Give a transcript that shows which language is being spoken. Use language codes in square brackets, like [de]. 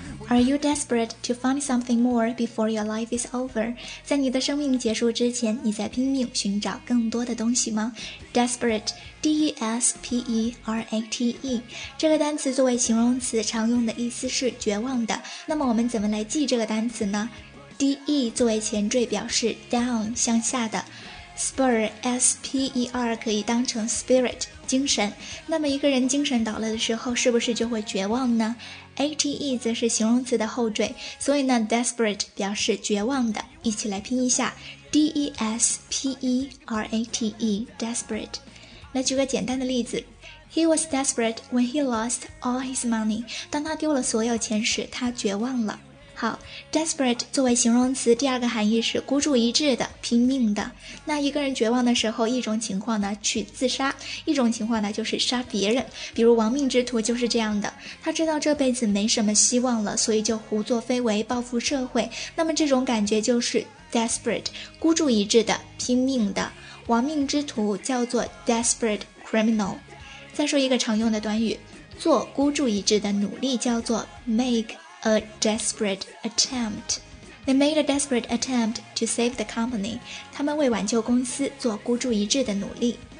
[en] Are you desperate to find something more before your life is over? [zh] 在你的生命结束之前，你在拼命寻找更多的东西吗？ [en] Desperate, D-E-S-P-E-R-A-T-E. [zh] 这个单词作为形容词常用的意思是绝望的。那么我们怎么来记这个单词呢？ D-E 作为前缀表示 down 向下的 spur S-P-E-R 可以当成 spirit 精神，那么一个人精神倒了的时候是不是就会绝望呢？ A-T-E 则是形容词的后缀，所以呢 desperate 表示绝望的，一起来拼一下 D-E-S-P-E-R-A-T-E desperate。来举个简单的例子， [en] He was desperate when he lost all his money. [zh] 当他丢了所有钱时，他绝望了。好， desperate 作为形容词，第二个含义是孤注一掷的，拼命的。那一个人绝望的时候，一种情况呢去自杀，一种情况呢就是杀别人，比如亡命之徒就是这样的，他知道这辈子没什么希望了，所以就胡作非为，报复社会。那么这种感觉就是 desperate， 孤注一掷的，拼命的。亡命之徒叫做 desperate criminal。再说一个常用的短语，做孤注一掷的努力叫做 [en] makeA desperate attempt. They made a desperate attempt to save the company. [zh] 他们为挽救公司做孤注一掷的努力。